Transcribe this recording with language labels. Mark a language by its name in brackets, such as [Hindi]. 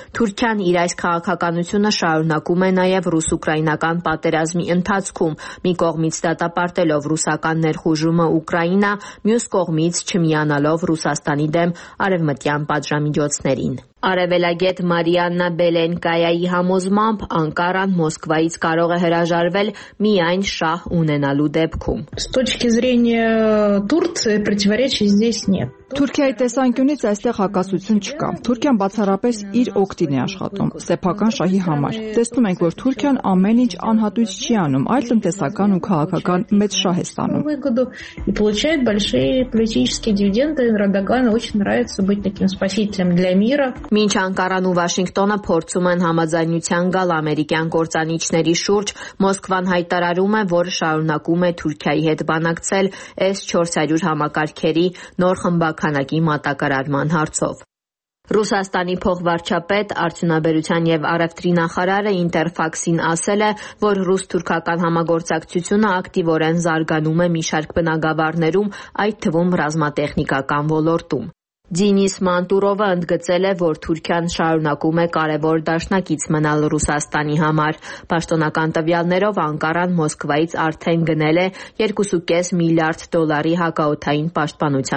[Armenian] Թուրքիան իր այս քաղաքականությունը շարունակում է նաև ռուս-ուկրաինական պատերազմի ընթացքում, մի կողմից դատապարտելով ռուսական ներխուժումը Ուկրաինա, մյուս կողմից չմիանալով Ռուսաստանի դեմ արևմտյան պատժամիջոցներին։ Արևելագետ Մարիաննա Բելենկայայի համոզմամբ Անկարան Մոսկվայից կարող է հրաժարվել միայն շահ ունենալու դեպքում։ [Russian] С точки зрения Турции противоречий здесь нет. [Armenian] Թուրքիայի տեսանկյունից այստեղ հակասություն չկա։ Թուրքիան բացառապես իր օգտին է աշխատում սեփական շահի համար։ Տեսնում ենք, որ Թուրքիան ամեն ինչ անհատույց չի անում, այլ տնտեսական ու քաղաքական մեծ շահ է ստանում։ [Russian] И получает большие политические дивиденды. Эрдоган очень нравится быть таким спасителем для мира. [Armenian] Մինչ Անկարան ու Վաշինգտոնը փորձում են համաձայնության գալ ամերիկյան գործանիչների շուրջ, Մոսկվան հայտարարում է, որ շարունակում է Թուրքիայի հետ բանակցել S-400 համակարգերի նոր բանակի մատակարարման հարցով։ Ռուսաստանի փոխվարչապետ, արդյունաբերության և առևտրի նախարարը Ինտերֆաքսին ասել է, որ ռուս-թուրքական համագործակցությունը ակտիվորեն զարգանում է մի շարք բնագավառներում, այդ թվում ռազմատեխնիկական ոլորտում։ Դինիս Մանտուրովը ընդգծել է, որ Թուրքիան շարունակում է կարևոր դաշնակից մնալ Ռուսաստանի համար։ Պաշտոնական տվյալներով